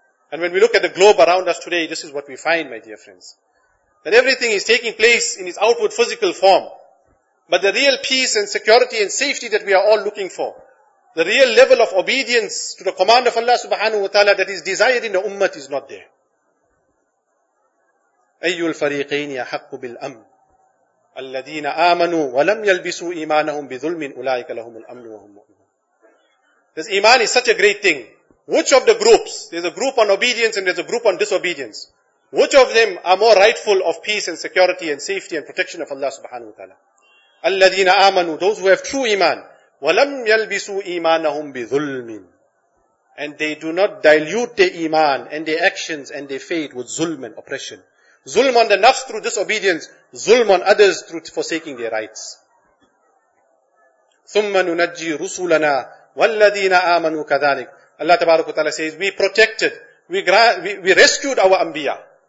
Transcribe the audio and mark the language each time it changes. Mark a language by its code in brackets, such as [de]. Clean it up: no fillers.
[en] And when we look at the globe around us today, this is what we find, my dear friends. That everything is taking place in its outward physical form. But the real peace and security and safety that we are all looking for, the real level of obedience to the command of Allah subhanahu wa ta'ala that is desired in the ummah is not there. [ar] Ayyul fariqayn ahaqqu bil amn. الذين آمنوا ولم يلبسوا إيمانهم بظلم أولئك لهم الأمن وهم مؤمنون. [en] This iman is such a great thing. Which of the groups, there's a group on obedience and there's a group on disobedience. Which of them are more rightful of peace and security and safety and protection of Allah subhanahu wa ta'ala? [ar] الذين آمنوا, [en] those who have true iman, [ar] ولم يلبسوا إيمانهم بظلم. [en] And they do not dilute their iman and their actions and their faith with zulm and oppression. Zulm on the nafs through disobedience, zulm on others through forsaking their rights. [ar] ثُمَّ نُنَجِّي رُسُولَنَا وَالَّذِينَ آمَنُوا كَذَلِكَ. [en] Allah Ta'ala says, we protected, we rescued our anbiya.